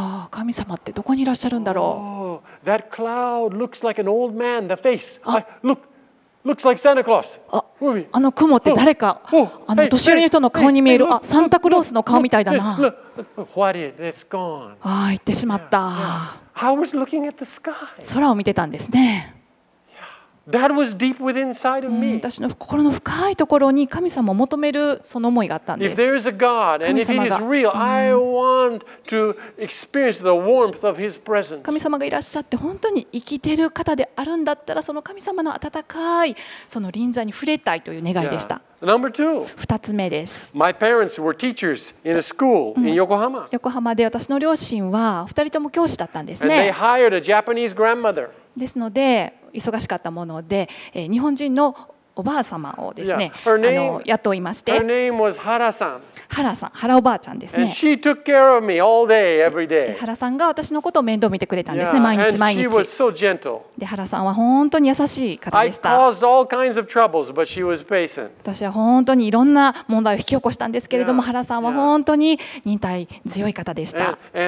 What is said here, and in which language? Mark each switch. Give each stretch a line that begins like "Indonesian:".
Japanese: 神様ってどこにいらっしゃるんだろう。
English: That cloud looks like an old man. The face. Looks like Santa Claus.
Japanese: あの雲って誰か。あの年寄りの人の顔に見える。あ、サンタクロースの顔みたいだな。
English: What is? It's gone.
Japanese: ああ、行ってしまった。
English: I was looking at the sky.
Japanese: 空を見てたんですね。
English: That was deep within inside of me.
Japanese: 私の心の深いところに神様を求めるその思いがあったんです。
English: If there is a God and if He is real, I want to experience the warmth of His presence.
Japanese: 神様がいらっしゃって本当に生きてる方であるんだったら、その神様の温かいその臨在に触れたいという願いでした。
English: Number two.
Japanese: 二つ目です。
English: My parents were teachers in a school in Yokohama.
Japanese: 横浜で私の両親は二人とも教師だったんですね。
English: And they hired a Japanese grandmother.
Japanese: ですので。忙しかったもので、日本人のおばあ様をですね、雇いまして、
English: Her name was Hara-san.
Japanese: Hara-san、Hara おばあちゃんですね。
English: And she took care of me all day, every day.
Japanese: Hara-san が私のことを面倒見てくれたんですね、毎日毎日。
English: And she was so gentle.
Japanese: で、Hara-san は本当に優しい方でした。
English: I caused all kinds of troubles, but she was patient.
Japanese: 私は本当にいろんな問題を引き起こしたんですけれども、Hara-san は本当に忍耐強い方でした。